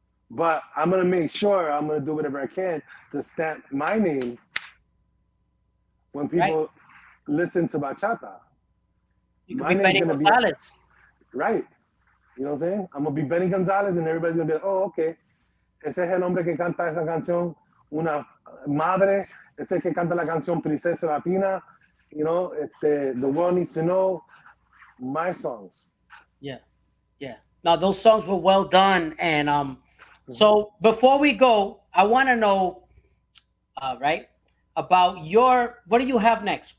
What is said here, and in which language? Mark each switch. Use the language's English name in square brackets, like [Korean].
[English] But I'm going to make sure I'm going to do whatever I can to stamp my name when people listen to Bachata. You could be Benny Gonzalez. Right. You know what I'm saying? I'm going to be Benny Gonzalez and everybody's going to be like, oh, okay. [Spanish] Ese es el hombre que canta esa canción, una madre. Ese que canta la canción Princesa Latina. [English] You know, the world needs to know my songs. Yeah, yeah. Now, those songs were well done. And so before we go, I want to know, about your, what do you have next?